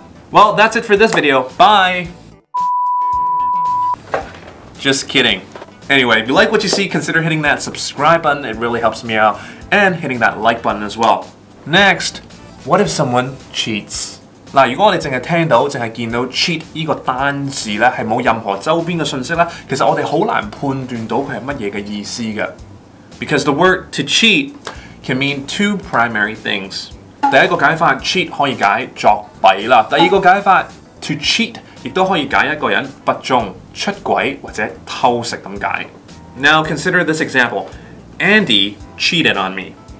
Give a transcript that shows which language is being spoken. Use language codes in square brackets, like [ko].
[en] Well that's it for this video Bye Just kidding Anyway if you like what you see consider hitting that subscribe button It really helps me out And hitting that like button as well Next What if someone cheats? [yue] 如果我們只是聽到只是見到 cheat 這個單字呢是沒有任何周邊的訊息呢其實我們很難判斷到它是什麼意思的 [en] Because the word to cheat can mean two primary things [yue] 第一個解法 cheat 可以解作弊啦第二個解法 to cheat 也可以解一個人不忠出軌或者偷食這樣解 [en] Now consider this example Andy cheated on me